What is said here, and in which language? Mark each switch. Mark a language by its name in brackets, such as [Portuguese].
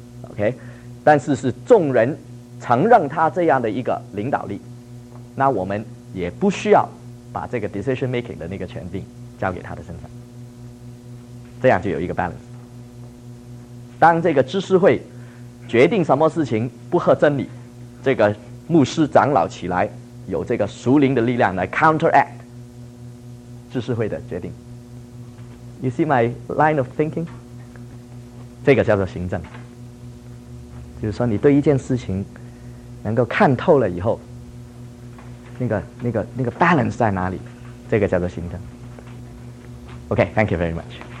[Chinese] OK， 但是众人承认他这样的一个领导力，那我们也不需要把这个 decision making 的那个权柄交给他的身上，这样就有一个 balance。当这个执事会决定什么事情不合真理，这个牧师长老起来有这个属灵的力量来 counteract 执事会的决定。 [English] You see my line of thinking？ [Chinese] 这个叫做行政，就是说你对一件事情能够看透了以后，那个 balance 在哪里，这个叫做心灯。 [English] OK, thank you very much.